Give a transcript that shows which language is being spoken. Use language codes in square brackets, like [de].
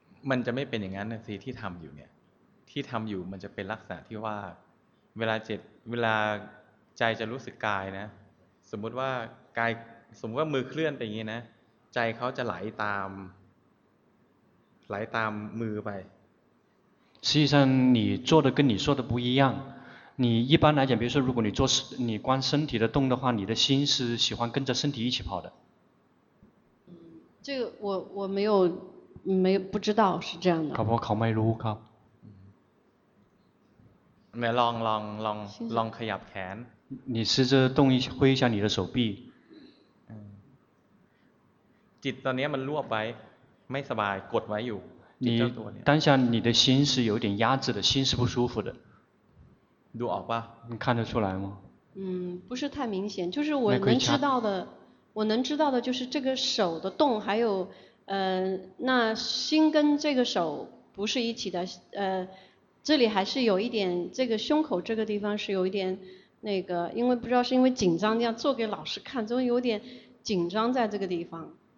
[th] มันจะไม่เป็นอย่างนั้นสิที่ทำอยู่เนี่ยที่ทำอยู่มันจะเป็นลักษณะที่ว่าเวลาจิตเวลาใจจะรู้สึกกายนะสมมติว่ากายสมมติว่ามือเคลื่อนไปอย่างนี้นะใจเขาจะไหลตามไหลตามมือไป [zh] 实际上你做的跟你说的不一样你一般来讲比如说如果你做你观身体的动的话你的心是喜欢跟着身体一起跑的这个我没有没有不知道是这样的考不考 [th] ไม่รู้ครับ ไม่ลองขยับแขน [zh] 你试着动一下挥一下你的手臂 [th] จิตตอนนี้มันรวบไว้ไม่สบายกดไว้อยู่ [zh] 你当下你的心是有点压制的心是不舒服的 [th] ดูออกป่ะ [zh] 你看得出来吗嗯不是太明显就是我能知道的我能知道的就是这个手的动还有那心跟这个手不是一起的这里还是有一点这个胸口这个地方是有一点那个因为不知道是因为紧张这样做给老师看就有点紧张在这个地方